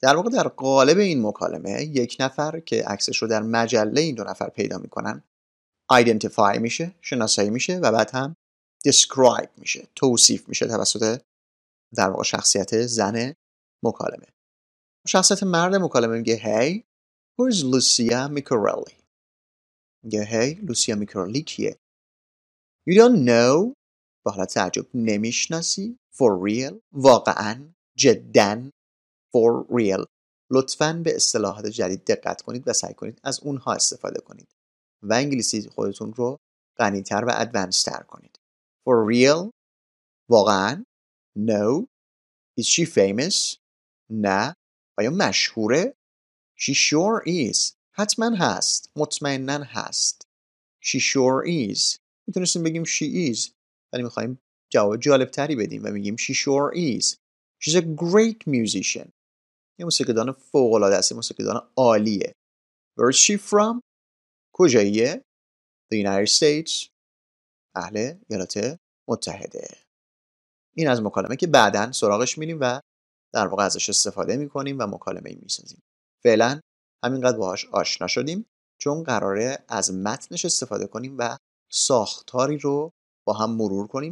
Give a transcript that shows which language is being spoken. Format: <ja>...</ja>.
<fa>در واقع در قالب این مکالمه یک نفر که عکسش رو در مجله این دو نفر پیدا میکنن identify میشه، شناسایی میشه و بعد هم describe میشه، توصیف میشه توسط در واقع شخصیت زن مکالمه. شخصیت مرد مکالمه میگه</fa> <en>Hey, who is Lucia Micarelli?</en> <fa>میگه</fa> <en>Hey,</en> <fa>Lucia Micarelli کیه؟</fa> <en>You don't know؟</en> <fa>به حالت تعجب نمیشناسی؟</fa> <en>For real؟</en> <fa>واقعا؟ جدن؟ For real؟ لطفاً به اصطلاحات جدید دقت کنید و سعی کنید از اونها استفاده کنید و انگلیسی خودتون رو غنی‌تر و ادوانس‌تر کنید.</fa> <en>For real؟</en> <fa>واقعاً؟</fa> <en>No؟ Is she famous؟</en> <fa>نه؟ آیا مشهوره؟</fa> <en>She sure is.</en> <fa>حتماً هست. مطمئناً هست.</fa> <en>She sure is.</en> <fa>میتونستیم بگیم</fa> <en>she is.</en> <fa>ولی میخواییم جواب جالبتری بدیم و میگیم</fa> <en>she sure is. She's a great musician.</en> <fa>یه موسیقیدان فوق‌العاده است. یه موسیقیدان عالیه.</fa> <en>Where is she from?</en> <fa>کجاییه؟</fa> <en>The United States.</en> <fa>اهل ایالات متحده. این از مکالمه که بعداً سراغش میریم و در واقع ازش استفاده میکنیم و مکالمه ای میسازیم. فعلا همینقدر باهاش آشنا شدیم چون قراره از متنش استفاده کنیم و ساختاری رو با هم مرور کنیم.</fa>